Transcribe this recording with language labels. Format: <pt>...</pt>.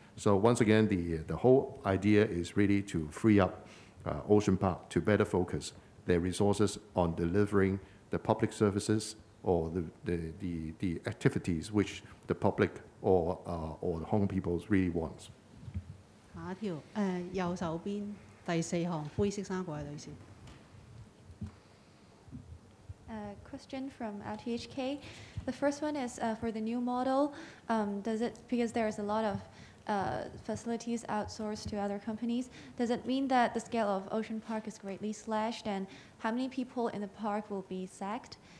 <en>So once again, the whole idea is really to free up Ocean Park to better focus their resources on delivering the public services or the activities which the public or the Hong people really want.</en> <zh>下一條, 右手邊, 第四行, 灰色衣服的女士。</zh> <en>Question from RTHK. The first one is for the new model, does it, because there is a lot of facilities outsourced to other companies, does it mean that the scale of Ocean Park is greatly slashed, and how many people in the park will be sacked?</en>